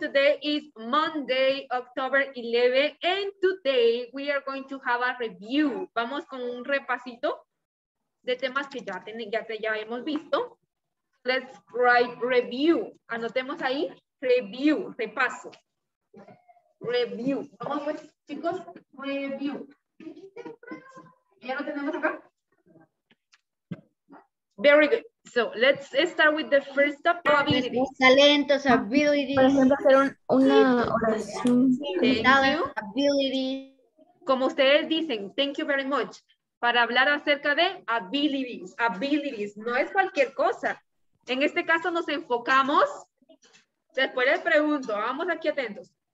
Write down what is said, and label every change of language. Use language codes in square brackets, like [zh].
[en] Today is Monday, October 11, and today we are going to have a review. [es] Vamos con un repasito de temas que ya hemos visto. [en] Let's write review. [es] Anotemos ahí, [en] review, repaso. Review. [es] Vamos pues, chicos, review. ¿Ya lo tenemos acá? [en] Very good. So let's start with the first ability. [es] Talento, ability. Por ejemplo, hacer una oración. [en] Thank you. Ability. [es] Como ustedes dicen, [en] thank you very much. [es] Para hablar acerca de abilities. Abilities. No es cualquier cosa. En este caso nos enfocamos. Después les pregunto, vamos aquí atentos.